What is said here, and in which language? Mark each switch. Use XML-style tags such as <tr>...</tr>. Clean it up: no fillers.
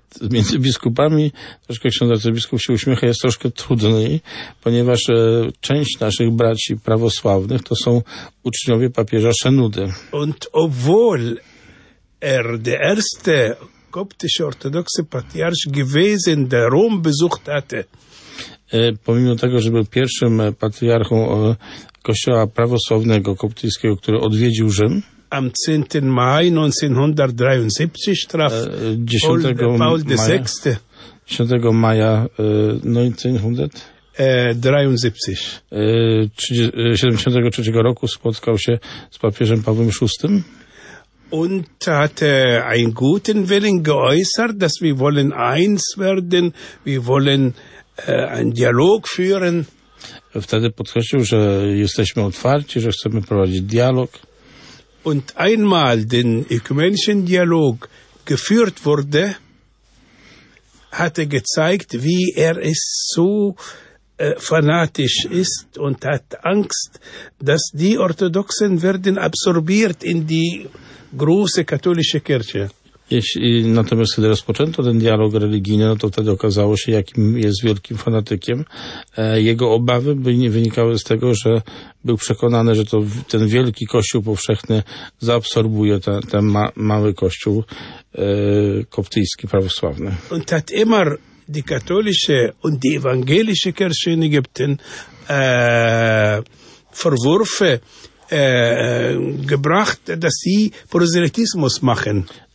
<pl>Między biskupami, troszkę ksiądz arcybiskup się uśmiecha, jest troszkę trudniej, ponieważ część naszych braci prawosławnych to są uczniowie papieża Szenudy.</pl> <de>Und obwohl der erste koptische orthodoxe Patriarch gewesen, der Rom besucht hatte.</de> <pl>Pomimo tego, że był pierwszym patriarchą kościoła prawosławnego koptyjskiego, który odwiedził Rzym,</pl> <de>am 10. Mai 1973 traf 10. Paul VI.</de> <pl>10. Maja 1973 roku spotkał się z papieżem Pawłem VI.</pl> <de>Und hatte einen guten Willen geäußert, dass wir wollen eins werden, wir wollen einen Dialog führen.</de> <pl>Wtedy podkreślił, że jesteśmy otwarci, że chcemy prowadzić dialog.</pl> <de>Und einmal den ökumenischen Dialog geführt wurde, hat er gezeigt, wie er es so fanatisch ist und hat Angst, dass die Orthodoxen werden absorbiert in die große katholische Kirche.</de> <pl>Natomiast kiedy rozpoczęto ten dialog religijny, no to wtedy okazało się, jakim jest wielkim fanatykiem. Jego obawy wynikały z tego, że był przekonany, że to ten wielki kościół powszechny zaabsorbuje ten mały kościół koptyjski, prawosławny.</pl> <de>Und hat immer die katholische und die evangelische Kirche in Ägypten Vorwürfe gebracht, dass sie Proselytismus machen.</de>